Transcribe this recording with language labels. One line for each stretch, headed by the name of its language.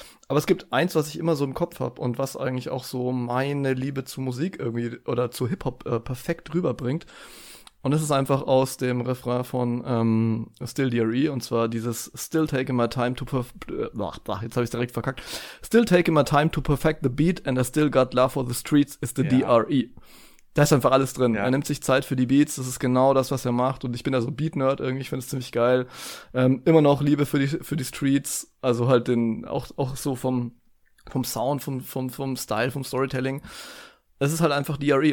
German: Aber es gibt eins, was ich immer so im Kopf habe und was eigentlich auch so meine Liebe zu Musik irgendwie oder zu Hip-Hop perfekt rüberbringt. Und das ist einfach aus dem Refrain von Still Dre, und zwar dieses
English: Still taking my time to perfect.
German: Ach, jetzt habe ich es direkt verkackt.
English: Still taking my time to perfect the beat and I still got love for the streets is the
German: Ja. Dre. Da ist einfach alles drin. Er Ja. nimmt sich Zeit für die Beats. Das ist genau das, was er macht. Und ich bin da so Beat-Nerd irgendwie. Ich finde es ziemlich geil. Immer noch Liebe für die Streets. Also halt auch so vom vom Sound, vom Style, vom Storytelling. Es ist halt einfach DRE.